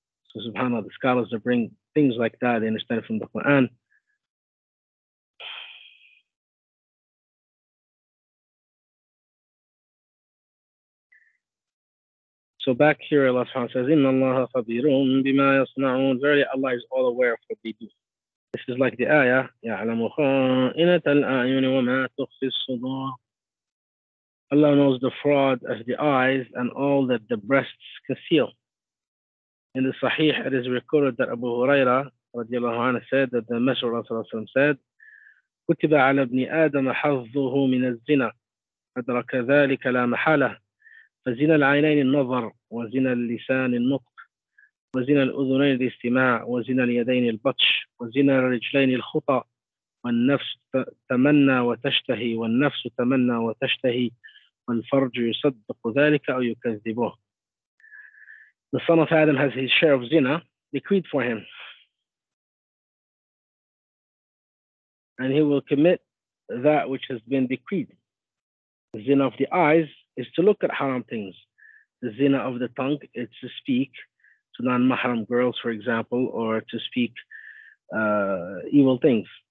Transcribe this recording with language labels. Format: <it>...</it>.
<en>So subhanAllah, the scholars that bring things like that, they understand it from the Quran. So back here, Allah subhanahu wa ta'ala says,</en> <ar>إِنَّ اللَّهَ خَبِيرٌ بِمَا يَصْنَعُونَ,</ar> <en>verily Allah is all aware of what they do. This is like the ayah,</en> <ar>يَعْلَمُ خَائِنَةَ الْأَعْيُنِ وَمَا تُخْفِي الصُّدُورُ.</ar> <en>Allah knows the fraud of the eyes and all that the breasts conceal. In the Sahih, it is recorded that Abu Huraira رضي الله عنه said that the Messenger of Allah said,</en> <ar>كتب على ابن آدم حظه من الزنا أدرك ذلك لا محالة فزنا العينين النظر وزنا اللسان النطق وزنا الأذنين الاستماع وزنا اليدين البطش وزنا الرجلين الخطى والنفس تمنى وتشتهي والنفس تمنى وتشتهي والفرج يصدق ذلك أو يكذبه.</ar> <en>The son of Adam has his share of zina decreed for him, and he will commit that which has been decreed. The zina of the eyes is to look at haram things. The zina of the tongue is to speak to non-mahram girls, for example, or to speak evil things.</en>